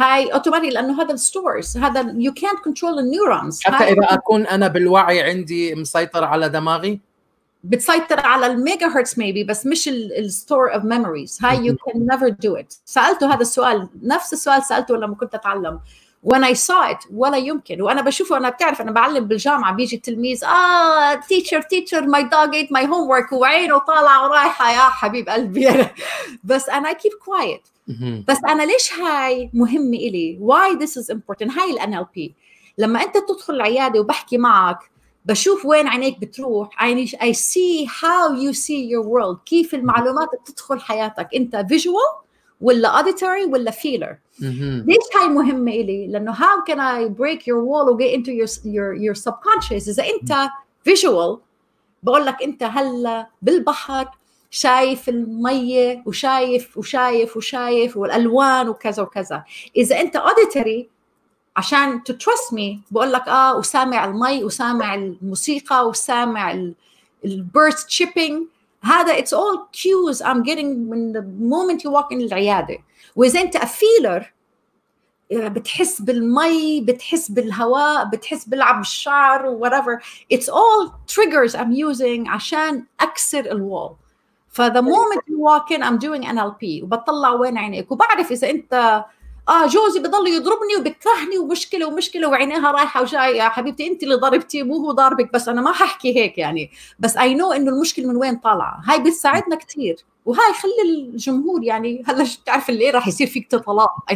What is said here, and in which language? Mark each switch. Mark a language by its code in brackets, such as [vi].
[ar] هاي أوتوماتيك لأنه هذا stores، هذا [en] you can't control the neurons. [ar] حتى إذا أكون أنا بالوعي عندي مسيطر على دماغي، بتسيطر على الميجا هرتز maybe، بس مش ال store of memories. [en] هاي you can never do it. [ar] سألته هذا السؤال، نفس السؤال سألته لما كنت أتعلم. [en] When I saw it، [ar] ولا يمكن. وأنا بشوفه، أنا بتعرف أنا بعلم بالجامعة، بيجي التلميذ [en] teacher my dog ate my homework، [ar] وعينه طالع ورايحة يا حبيب قلبي. بس أنا [en] keep quiet. [ar] بس أنا ليش هاي مهمة إلي؟ [en] Why this is important؟ [ar] هاي ال NLP لما أنت تدخل العيادة وبحكي معك بشوف وين عينيك بتروح. [en] I see how you see your world. [ar] كيف المعلومات بتدخل حياتك، أنت visual ولا auditory ولا feeler. ليش هاي مهمة إلي؟ لأنه [en] how can I break your wall or get into your subconscious. [ar] إذا أنت visual بقول لك أنت هلا بالبحر شايف المية وشايف والألوان وكذا وكذا. إذا أنت auditory عشان [en] to trust me [ar] بقول لك وسامع المي وسامع الموسيقى وسامع البيرث chipping. [en] هذا it's all cues I'm getting من the moment you walk in العيادة. [ar] وإذا أنت [en] a feeler [ar] بتحس بالمي، بتحس بالهواء، بتحس بلعب الشعر whatever. [en] It's all triggers I'm using [ar] عشان أكسر الوال. [en] For the moment you walk in I'm doing NLP [ar] وبطلع وين عينيك. وبعرف إذا أنت جوزي بضل يضربني وبكرهني ومشكلة وعينيها رايحة وجاية، يا حبيبتي أنت اللي ضربتي مو هو ضربك. بس أنا ما ححكي هيك يعني، بس [en] I know [ar] إنه المشكلة من وين طالعة. هاي بتساعدنا كتير. وهاي خلي الجمهور يعني هلا تعرف اللي إيه، راح يصير فيك طلاق